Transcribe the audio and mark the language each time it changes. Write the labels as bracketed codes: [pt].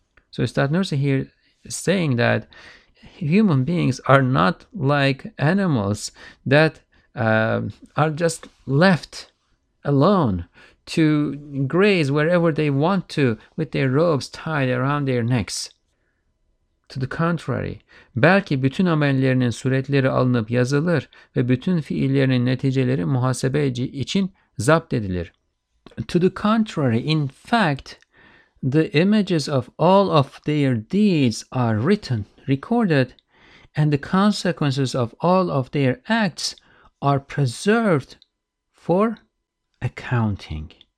[en] So Üstad Nursi here is saying that human beings are not like animals that are just left alone to graze wherever they want to with their robes tied around their necks. To the contrary, [tr] belki bütün amellerinin suretleri alınıp yazılır ve bütün fiillerinin neticeleri muhasebe için zapt edilir. [en] To the contrary, in fact, the images of all of their deeds are written, recorded, and the consequences of all of their acts are preserved for accounting.